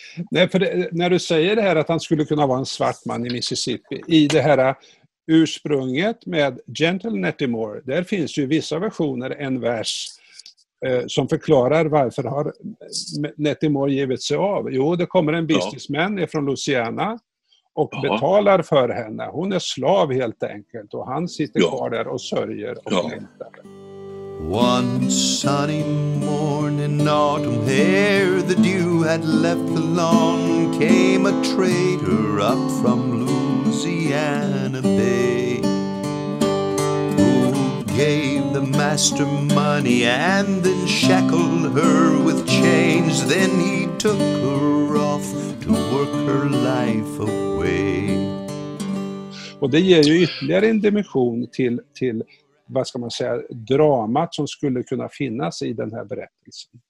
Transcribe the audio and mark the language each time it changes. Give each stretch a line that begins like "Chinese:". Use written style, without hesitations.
Swedish: Nej, för när du säger det här att han skulle kunna vara en svart man i Mississippi i det här ursprunget med Gentle Nettie Moore, där finns ju vissa versioner, en vers som förklarar varför har Nettie Moore givit sig av. Jo, det kommer en businessman från Louisiana och betalar för henne. Hon är slav helt enkelt och han sitter kvar där och sörjer och väntar.
English: One sunny morning in autumn, ere the dew had left the lawn, came a trader up from Louisiana Bay, who gave the master money and then shackled her with chains. Then he took her off to work her life away.
Swedish: Och det ger ju ytterligare en dimension till vad ska man säga, dramat som skulle kunna finnas i den här berättelsen.